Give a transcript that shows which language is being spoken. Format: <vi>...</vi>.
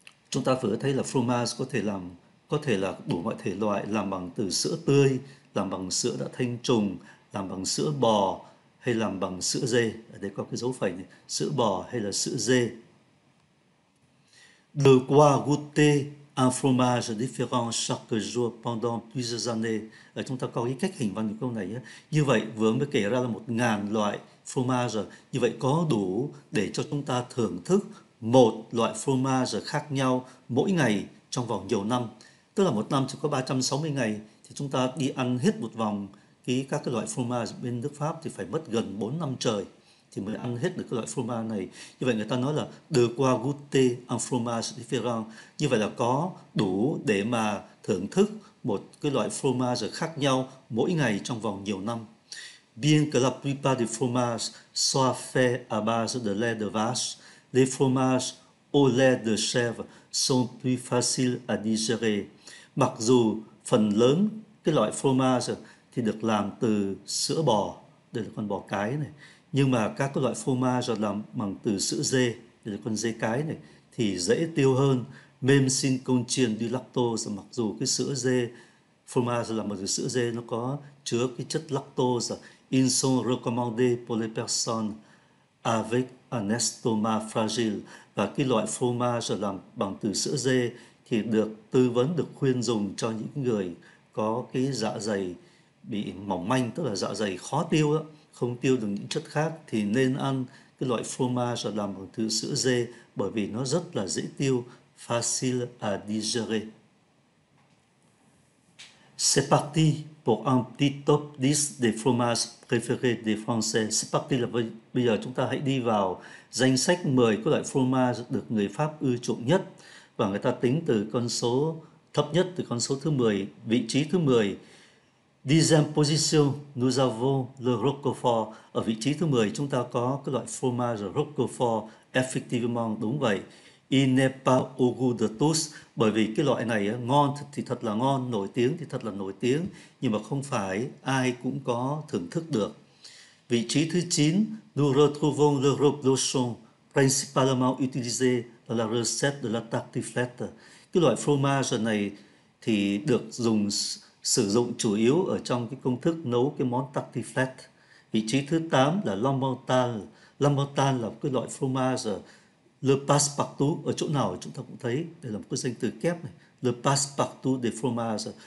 <vi>Chúng ta vừa thấy là fromage có thể là đủ mọi thể loại, làm bằng từ sữa tươi, làm bằng sữa đã thanh trùng, làm bằng sữa bò hay làm bằng sữa dê. Ở đây có cái dấu phẩy này, sữa bò hay là sữa dê.</vi> <fr>De quoi goûter un fromage différent chaque jour pendant plusieurs années.</fr> <vi>Ở chúng ta có cái cách hình văn của câu này nhé. Như vậy vừa mới kể ra là 1000 loại fromage, như vậy có đủ để cho chúng ta thưởng thức một loại fromage khác nhau mỗi ngày trong vòng nhiều năm. Tức là một năm chỉ có 360 ngày thì chúng ta đi ăn hết một vòng các cái loại fromage bên nước Pháp thì phải mất gần 4 năm trời thì mới ăn hết được cái loại fromage này. Như vậy người ta nói là</vi> <fr>de quoi goûter un fromage différent.</fr> <vi>Như vậy là có đủ để mà thưởng thức một cái loại fromage khác nhau mỗi ngày trong vòng nhiều năm.</vi> <fr>Bien que la plupart des fromages soient faits à base de lait de vache, les fromages Au lait de chèvre sont plus faciles à digérer.</fr> <vi>Mặc dù phần lớn cái loại fromage thì được làm từ sữa bò, đây là con bò cái này, nhưng mà các cái loại fromage làm bằng từ sữa dê, đây là con dê cái này, thì dễ tiêu hơn mềm sinh côn chiên du lactose. Mặc dù cái sữa dê, fromage làm từ sữa dê nó có chứa cái chất lactose,</vi> <fr>ils sont recommandés pour les personnes avec un estomac fragile,</fr> <vi>và cái loại fromage làm bằng từ sữa dê thì được tư vấn, được khuyên dùng cho những người có cái dạ dày bị mỏng manh, tức là dạ dày khó tiêu đó, không tiêu được những chất khác, thì nên ăn cái loại fromage làm bằng từ sữa dê bởi vì nó rất là dễ tiêu,</vi> <fr>facile à digérer. C'est parti pour un petit top 10 des fromages préférés des Français. C'est parti</fr> <vi>là bây giờ chúng ta hãy đi vào danh sách 10 các loại fromage được người Pháp ưa chuộng nhất, và người ta tính từ con số thấp nhất, từ con số thứ 10, vị trí thứ 10.</vi> <fr>Dixième position, nous avons le Roquefort.</fr> <vi>Ở vị trí thứ 10, chúng ta có cái loại fromage Roquefort.</vi> <fr>Effectivement,</fr> <vi>đúng vậy.</vi> <fr>Il n'est pas au goût de tous.</fr> <vi>Bởi vì cái loại này ngon thì thật là ngon, nổi tiếng thì thật là nổi tiếng, nhưng mà không phải ai cũng có thưởng thức được. Vị trí thứ 9,</vi> <fr>nous retrouvons le Reblochon, principalement utilisé dans la recette de la tartiflette.</fr> <vi>Cái loại fromage này thì được dùng sử dụng chủ yếu ở trong cái công thức nấu cái món tartiflette. Vị trí thứ 8 là L'Emmental. L'Emmental là cái loại fromage le passe-partout. Ở chỗ nào chúng ta cũng thấy, đây là một cái danh từ kép này,</vi> <fr>le passe-partout de fromage.</fr>